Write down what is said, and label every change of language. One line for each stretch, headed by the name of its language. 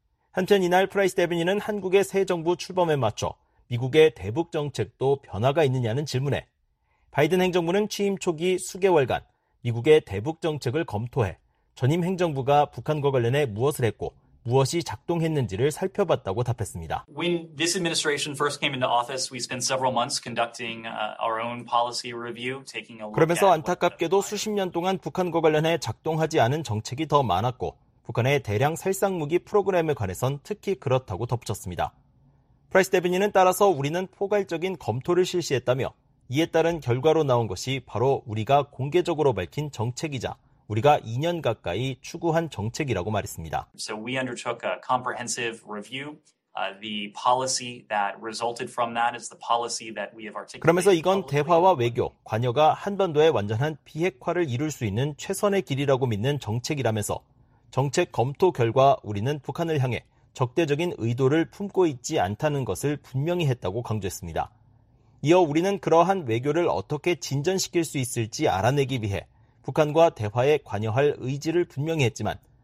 Korean: 한편 이날 프라이스 대변인은 한국의 새 정부 출범에 맞춰 미국의 대북 정책도 변화가 있느냐는 질문에 바이든 행정부는 취임 초기 수개월간 미국의 대북 정책을 검토해 전임 행정부가 북한과 관련해 무엇을 했고 무엇이 작동했는지를 살펴봤다고 답했습니다.
English: When this administration first came into office, we spent several months conducting our own policy review, taking a look.
Korean: 그러면서 안타깝게도 수십 년 동안 북한과 관련해 작동하지 않은 정책이 더 많았고 북한의 대량 살상무기 프로그램에 관해선 특히 그렇다고 덧붙였습니다. 프라이스 대변인은 따라서 우리는 포괄적인 검토를 실시했다며 이에 따른 결과로 나온 것이 바로 우리가 공개적으로 밝힌 정책이자 우리가 2년 가까이 추구한 정책이라고 말했습니다.
English: So we undertook a comprehensive review. The policy that resulted from that is the policy that we have articulated.
Korean: 그러면서 이건 대화와 외교, 관여가 한반도의 완전한 비핵화를 이룰 수 있는 최선의 길이라고 믿는 정책이라면서 정책 검토 결과 우리는 북한을 향해 적대적인 의도를 품고 있지 않다는 것을 분명히 했다고 강조했습니다. 이어 우리는 그러한 외교를 어떻게 진전시킬 수 있을지 알아내기 위해 북한과 대화에 관여할 의지를 분명히 했지만